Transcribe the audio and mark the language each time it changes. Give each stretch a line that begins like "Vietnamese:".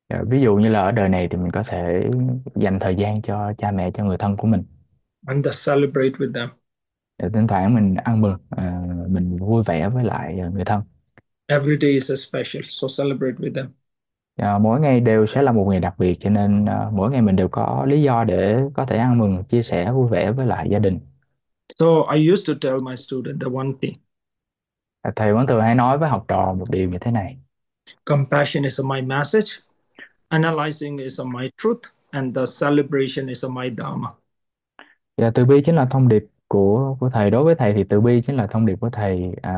Vietnamese: Ví dụ như là ở đời này thì mình có thể dành thời gian cho cha mẹ, cho người thân của mình.
English: And the celebrate with them.
Vietnamese: Thỉnh thoảng mình ăn mừng, mình vui vẻ với lại người thân.
English: Every day is a special, so celebrate with them.
Vietnamese: Mỗi ngày đều sẽ là một ngày đặc biệt, cho nên mỗi ngày mình đều có lý do để có thể ăn mừng, chia sẻ vui vẻ với lại gia đình.
English: So I used to tell my student the one thing.
Vietnamese: Thầy vẫn thường hay nói với học trò một điều như thế này.
English: Compassion is my message, analyzing is my truth, and the celebration is my dharma.
Vietnamese: Và từ bi chính là thông điệp của thầy. Đối với thầy thì từ bi chính là thông điệp của thầy.